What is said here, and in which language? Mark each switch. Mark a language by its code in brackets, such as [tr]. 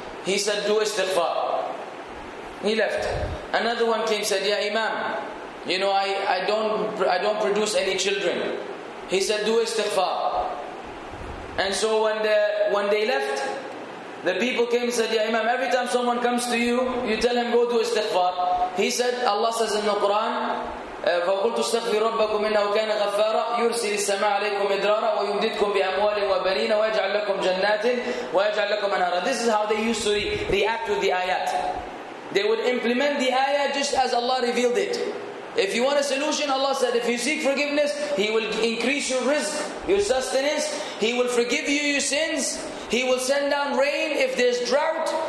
[en] He said, do istighfar. He left. Another one came, said, ya Imam, you know, I don't produce any children. He said, do istighfar. And so when they left, the people came and said, ya Imam, every time someone comes to you, you tell him, go do istighfar. He said, Allah says in the Quran, [ar] فَقُلْتُ اسْتَغْفِرُوا رَبَّكُمْ إِنَّهُ كَانَ غَفَّارًا يُرْسِلِ السَّمَاءَ عَلَيْكُمْ مِدْرَارًا وَيُمْدِدْكُمْ بِأَمْوَالٍ وَبَنِينَ وَيَجْعَلْ لَكُمْ جَنَّاتٍ وَيَجْعَلْ لَكُمْ أَنْهَارًا. [en] This is how they used to react to the ayat. They would implement the ayat just as Allah revealed it. If you want a solution, Allah said, if you seek forgiveness, He will increase your rizq, your sustenance. He will forgive you your sins. He will send down rain if there's drought.